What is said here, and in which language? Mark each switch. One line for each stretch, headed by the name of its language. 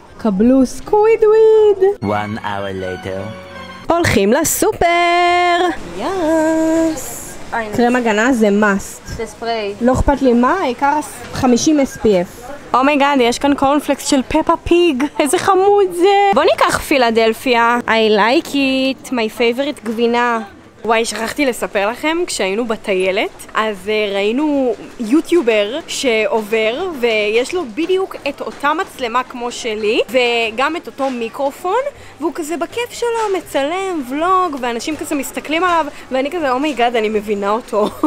Hebrew: קבלו סקווידוויד.
English: One hour later.
Hebrew: הולכים לסופר. יאס. קרם הגנה זה מאסט. זה ספרי. לא אכפת לי מה, העיקר 50 SPF. אומי גאד, יש כאן קורנפלקס של פפה פיג. איזה חמוד זה. בוא ניקח פילדלפיה.
English: I like it, my favorite גבינה.
Hebrew: וואי, שכחתי לספר לכם, כשהיינו בטיילת, אז ראינו יוטיובר שעובר, ויש לו בדיוק את אותה מצלמה כמו שלי, וגם את אותו מיקרופון, והוא כזה בכיף שלו, מצלם, ולוג, ואנשים כזה מסתכלים עליו, ואני כזה, אומי גאד, אני מבינה אותו.